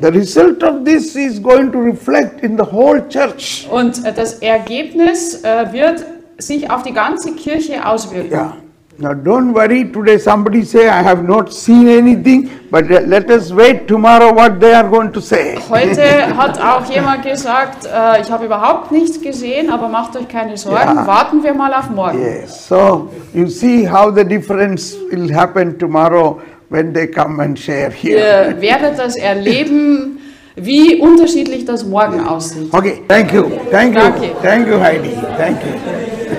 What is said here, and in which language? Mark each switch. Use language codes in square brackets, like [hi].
[en] The result of this is going to reflect in the whole church. [de] Und das Ergebnis wird sich auf die ganze Kirche auswirken. [en] Yeah. Now don't worry, today somebody say, I have not seen anything, but let us wait tomorrow what they are going to say. [de] Heute hat auch jemand gesagt, ich habe überhaupt nichts gesehen, aber macht euch keine Sorgen, yeah. Warten wir mal auf morgen. [en] Yes, so you see how the difference will happen tomorrow when they come and share here. [de] Ihr werdet das erleben, wie unterschiedlich das morgen aussieht. [en] Okay, thank you, thank you, thank you Heidi, thank you.